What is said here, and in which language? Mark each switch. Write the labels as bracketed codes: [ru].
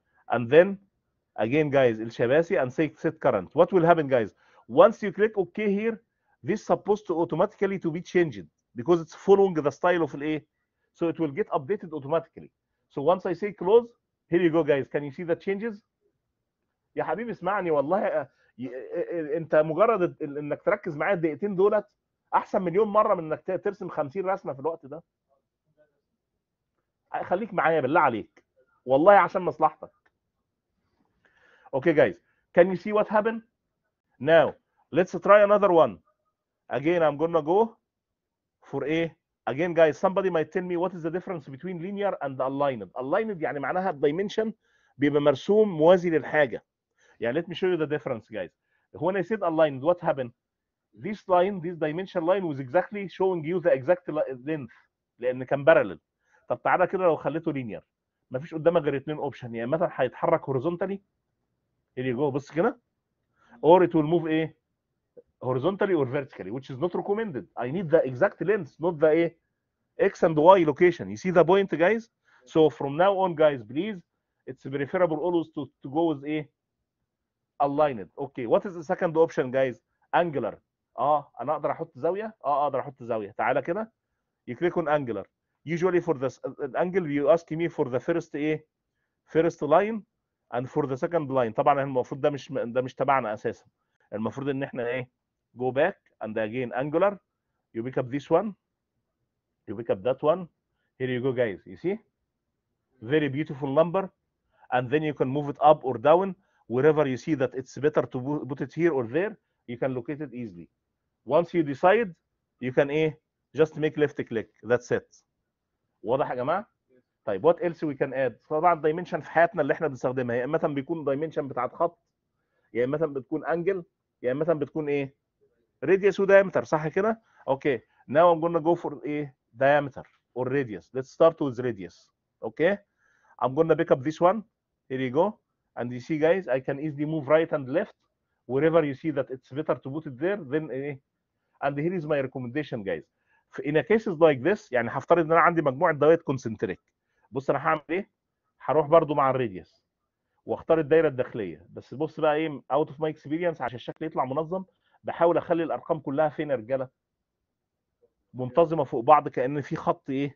[en] And then again, guys, El Shabazi, and say set current. What will happen, guys? Once you click okay here, this supposed to automatically to be changed because it's following the style of A. So it will get updated automatically. So once I say close, here you go, guys. Can you see the changes? [ar] يا حبيبي اسمعني والله انت مجرد انك تركز معايا الدقيقتين دولت احسن مليون مره من انك ترسم 50 رسمه في الوقت ده. خليك معايا بالله عليك والله عشان مصلحتك. [en] Okay guys, can you see what happened? Now, let's try another one. Again, I'm gonna go for A. Again guys, somebody might tell me what is the difference between linear and aligned. [ar] Aligned يعني معناها dimension بيبقى مرسوم موازي للحاجة. [en] Yeah, let me show you the difference guys. When I said aligned, what happened? This line, this dimension line was exactly showing you the exact length [ar] لأن كان [en] parallel. [ar] طب تعالى كده لو خليته linear. ما فيش قدامك غير اتنين option. يعني مثلا هيتحرك horizontally. [en] Here you go, [ar] بص كده. [en] Or it will move horizontally or vertically, which is not recommended. I need the exact length, not the X and Y location. You see the point, guys? So from now on, guys, please, it's preferable always to go with aligned. Okay, what is the second option, guys? Angular. [ar] أنا أقدر أحط زاوية؟ أقدر أحط زاوية. تعالى كده. [en] You click on angular. Usually for this angle, you ask me for the first first line. And for the second line, [ar] طبعا المفروض ده مش تبعنا اساسا. المفروض ان احنا [en] go back and again angular. You pick up this one. You pick up that one. Here you go, guys. You see? Very beautiful number. And then you can move it up or down. Wherever you see that it's better to put it here or there, you can locate it easily. Once you decide, you can just make left click. That's it. [ar] واضح يا جماعه؟ طيب [en] what else we can add؟ [ar] طبعا الدايمنشن في حياتنا اللي احنا بنستخدمها يا اما بيكون دايمنشن بتاعت خط يا اما بتكون انجل يا اما بتكون radius وديامتر صح كده؟ اوكي [en] now I'm gonna go for diameter or radius. Let's start with radius. Okay. I'm gonna pick up this one. Here you go. And you see guys, I can easily move right and left wherever you see that it's better to put it there. Then and here is my recommendation guys. In a cases like this, [ar] يعني هفترض ان انا عندي مجموعه دوائر concentric. بص انا هعمل ايه؟ هروح برضو مع الريديوس واختار الدايره الداخليه، بس بص بقى [en] out of my experience [ar] عشان الشكل يطلع منظم، بحاول اخلي الارقام كلها فين يا رجاله؟ منتظمه فوق بعض كان في خط